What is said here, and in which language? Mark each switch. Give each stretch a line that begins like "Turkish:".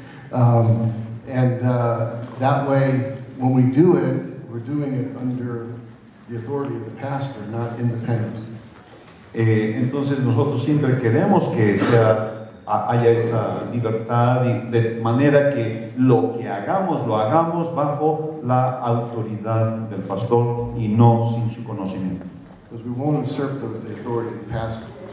English: That way, when we do it, we're doing it under the authority of the pastor, not independent.
Spanish: Entonces nosotros siempre queremos que sea haya esa libertad y de manera que lo que hagamos lo hagamos bajo la autoridad del pastor y no sin su conocimiento.
English: Because we won't usurp the authority of the pastor.